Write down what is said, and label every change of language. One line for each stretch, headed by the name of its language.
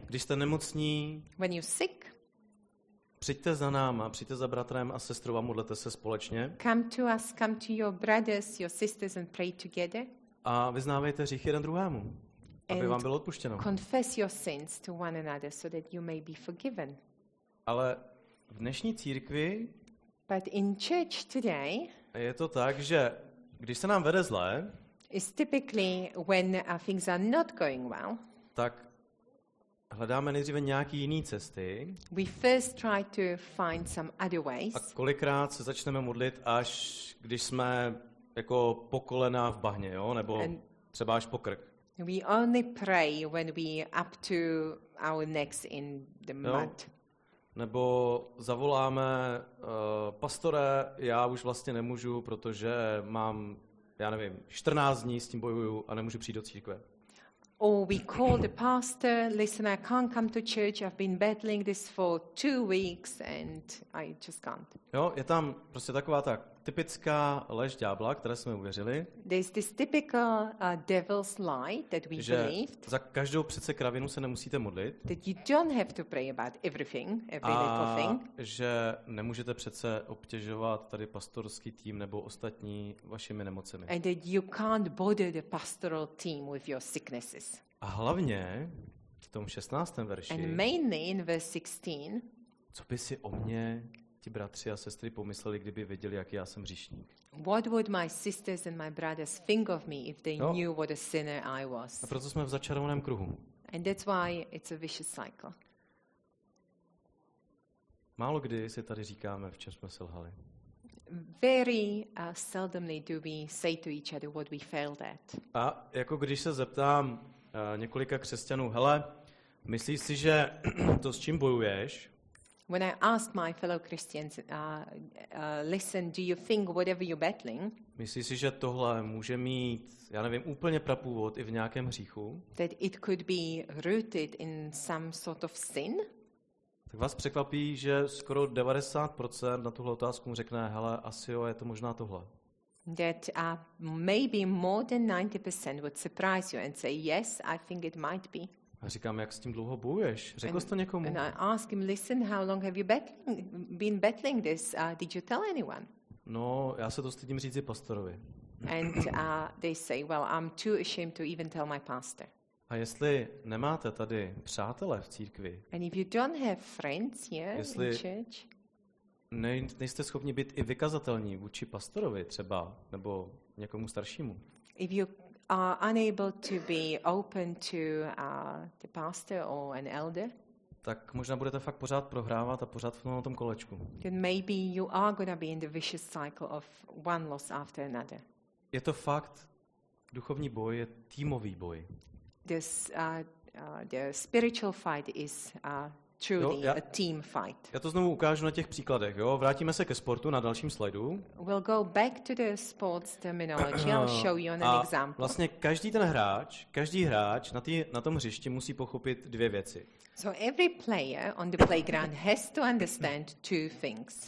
Czech: Když jste nemocní,
English: when you're sick,
Czech: přijďte za náma, přijďte za bratrem a sestrou a modlete se společně.
English: Come to us, come to your brothers, your sisters and pray together.
Czech: A vyznávejte hřích jeden druhému, aby vám bylo odpuštěno.
English: Confess your sins to one another so that you may be forgiven.
Czech: Ale v dnešní církvi
English: but in church today
Czech: je to tak, že když se nám vede zle,
English: is typically when things are not going well,
Czech: tak hledáme nejdříve nějaký jiný cesty.
English: We first try to find some other ways.
Czech: A kolikrát se začneme modlit, až když jsme jako po kolena v bahně, jo? Nebo and třeba až po krk.
English: We only pray when we up to our necks in the mud.
Czech: Nebo zavoláme pastore, já už vlastně nemůžu, protože mám, já nevím, 14 dní s tím bojuju a nemůžu přijít do církve.
English: Or we call the pastor, listen, I can't come to church, I've been battling this for 2 weeks and I just can't.
Czech: Jo, je tam prostě taková ta typická lež ďábla, které jsme uvěřili.
English: There's this typical devil's lie that we
Czech: že
English: believed.
Czech: Za každou přece kravinu se nemusíte modlit.
English: That you don't have to pray about everything, every little thing.
Czech: A že nemůžete přece obtěžovat tady pastorský tým nebo ostatní vašimi nemocemi.
English: And that you can't bother the pastoral team with your sicknesses.
Czech: A hlavně v tom 16. verši.
English: And mainly in verse 16.
Czech: Co by si o mě ti bratři a sestry pomysleli, kdyby věděli, jaký já jsem hříšník.
English: What would my sisters and my brothers think of me if they knew what a sinner I was?
Czech: A proto jsme v začarovaném kruhu.
English: And that's why it's a vicious cycle.
Czech: Málo kdy si tady říkáme, v čem jsme selhali.
English: Very seldomly do we say to each other what we failed at.
Czech: A jako když se zeptám několika křesťanů, hele, myslíš si, že to s čím bojuješ?
English: When I ask my fellow Christians, listen, do you think whatever you're battling?
Czech: Myslíš si, že tohle může mít, já nevím, úplně prapůvod i v nějakém hříchu?
English: That it could be rooted in some sort of sin?
Czech: Tak vás překvapí, že skoro 90% na tuhle otázku řekne, hele, asi jo, je to možná tohle.
English: That maybe more than 90% would surprise you and say, yes, I think it might be.
Czech: A říkám, jak s tím dlouho bojuješ? Řekl jsi to někomu?
English: And I ask him, listen, how long have you been battling this? Did you tell anyone?
Czech: No, já se to stydím říct i pastorovi.
English: And they say, well, I'm too ashamed to even tell my pastor.
Czech: A jestli nemáte tady přátelé v církvi,
English: and if you don't have friends here,
Czech: jestli
English: in church,
Czech: nejste schopni být i vykazatelní vůči pastorovi třeba, nebo někomu staršímu,
English: if you are unable to be open to the pastor or an elder,
Czech: tak možná budete fakt pořád prohrávat a pořád na tom kolečku.
English: Then maybe you are going to be in the vicious cycle of one loss after another.
Czech: Je to fakt, duchovní boj je týmový boj.
English: This the spiritual fight is truly a team fight.
Czech: Já to znovu ukážu na těch příkladech, jo. Vrátíme se ke sportu na dalším slajdu.
English: We'll go back to the sports terminology. I'll show you an example.
Czech: Vlastně každý hráč na tom hřišti musí pochopit dvě věci.
English: So every player on the playground has to understand two things.